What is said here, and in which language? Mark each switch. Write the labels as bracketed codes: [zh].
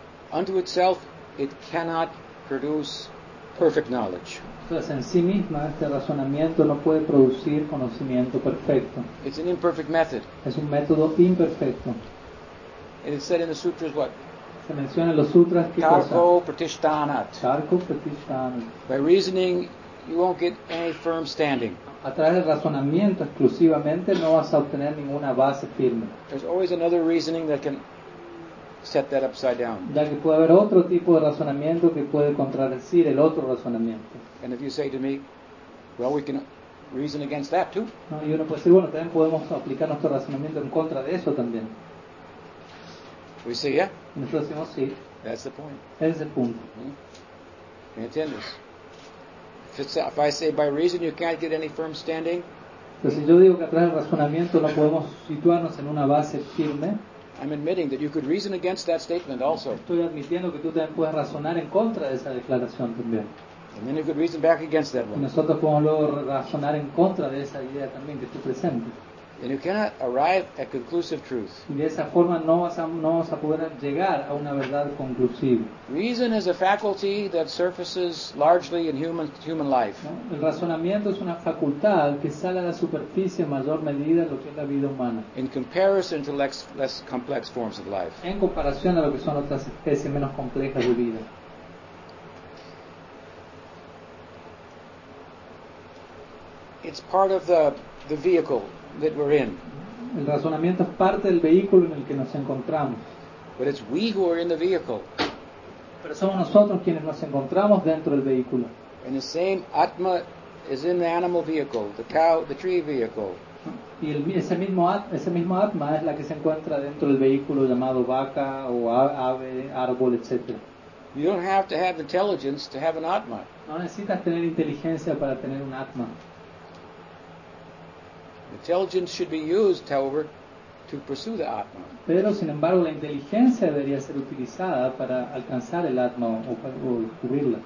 [en] Unto itself, it cannot produce perfect knowledge. [es] Entonces, en sí misma, este razonamiento no puede producir conocimiento perfecto. [en] It's an imperfect method. [es] Es un método imperfecto. [en] And it's said in the sutras what? [es] Se menciona en los sutras que [sa] karko pratishtanat. Karko pratishtanat. [en] By reasoning, you won't get any firm standing. [es] A través del razonamiento exclusivamente no vas a obtener ninguna base firme. [en] There's always another reasoning that can set that upside down. [es] Ya que puede haber otro tipo de razonamiento que puede contradecir el otro razonamiento. [en] And if you say to me, well, we can reason against that too. [es] No, y uno puede decir, bueno, también podemos aplicar nuestro razonamiento en contra de eso también. [en] We say, yeah. [es] Nosotros decimos, sí. [en] That's the point. [es] Ese es el punto. ¿Me entiendes? [en] If I say by reason you can't get any firm standing. [es] Pero si yo digo que a través del razonamiento no podemos situarnos en una base firme. [en] I'm admitting that you could reason against that statement also. [es] Estoy admitiendo que tú también puedes razonar en contra de esa declaración también. [en] And then you could reason back against that one. [es] Nosotros podemos luego razonar en contra de esa idea también que tú presentes. [en] And you cannot arrive at conclusive truth. [es] De esa forma no vas a poder llegar a una verdad conclusiva. [en] Reason is a faculty that surfaces largely in human life. [es] ¿No? El razonamiento es una facultad que sale a la superficie en mayor medida de lo que es la vida humana. [en] In comparison to less complex forms of life. [es] En comparación a lo que son otras especies menos complejas de vida. [en] It's part of the vehicle that we're in. [es] El razonamiento es parte del vehículo en el que nos encontramos. [en] But it's we who are in the vehicle. [es] Pero somos nosotros quienes nos encontramos dentro del vehículo. [en] And the same atma is in the animal vehicle, the cow, the tree vehicle. [es] Y ese mismo atma es la que se encuentra dentro del vehículo llamado vaca o ave, árbol, etc. [en] You don't have to have intelligence to have an atma. [es] No necesitas tener inteligencia para tener un atma. [en] Intelligence should be used, however, to pursue the atma. [es] Pero sin embargo, la inteligencia debería ser utilizada para alcanzar el atma o para cubrirla.